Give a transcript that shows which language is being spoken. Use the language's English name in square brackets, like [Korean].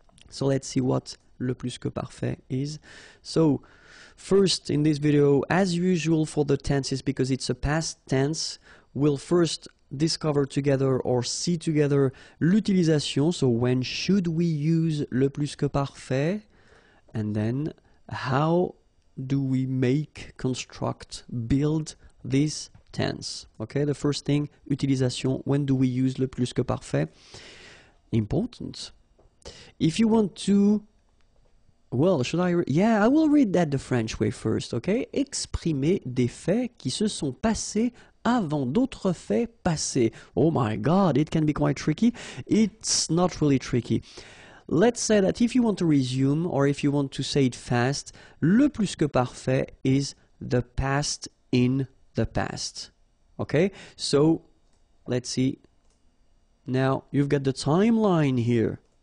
[English] So let's see what le plus que parfait is. So first, in this video, as usual for the tenses, because it's a past tense, we'll first discover together or see together l'utilisation, so when should we use le plus que parfait, and then how do we make, construct, build this tense. Okay, the first thing, utilisation, when do we use le plus que parfait? Important. If you want to, well, should I, I will read that the French way first, okay? [French] Exprimer des faits qui se sont passés avant d'autres faits passés. [English] Oh my God, it can be quite tricky. It's not really tricky. Let's say that if you want to resume, or if you want to say it fast, le plus que parfait is the past in the past. Okay, so let's see. Now, you've got the timeline here.